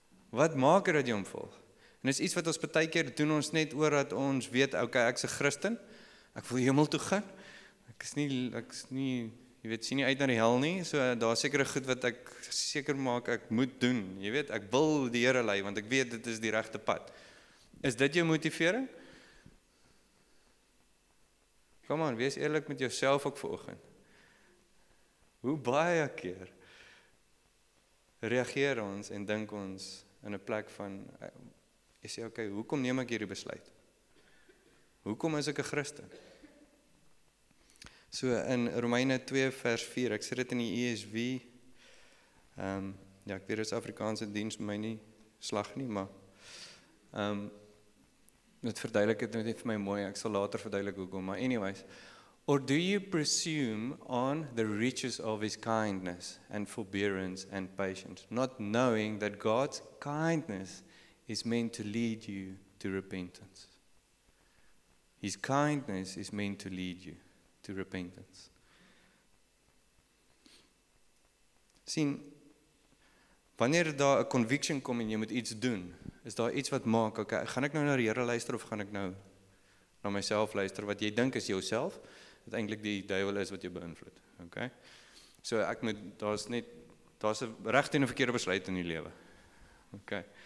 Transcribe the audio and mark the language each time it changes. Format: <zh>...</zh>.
<af>Wat maak dat jy hom volg? En is iets wat ons baie keer doen ons net oor dat ons weet, okay, ek's 'n Christen. Ek wil hemel toe gaan. Ek is nie, jy weet, sien nie uit na die hel nie. So daar's sekere goed wat ek seker maak ek moet doen. Jy weet, ek wil die Here lei want ek weet dit is die regte pad. Is dit jou motivering? Kom aan, wees eerlik met jouself ook vanoggend. Hoe baie keer reageer ons en dink ons in 'n plek van jy sê okay, hoekom neem ek hierdie besluit? Hoekom is ek 'n Christen? So in Romeine 2 vers 4, ek sê dit in die ESV. Ja, ek weet dit is Afrikaanse diens, my nie slag nie, maar dit verduidelik dit net vir my mooi. Ek sal later verduidelik hoekom, maar anyways,</af> <en>or do you presume on the riches of his kindness and forbearance and patience, not knowing that God's kindness is meant to lead you to repentance. His kindness is meant to lead you to repentance.</en> <af>Sien, wanneer daar 'n conviction kom en jy moet iets doen, is daar iets wat maak, okay, gaan ek nou na die Here luister of gaan ek nou na myself luister, wat jy dink is jouself, wat eintlik die duiwel is wat jou beïnvloed, okay? So ek moet, daar's 'n regte en 'n verkeerde besluit in die lewe, okay?</af>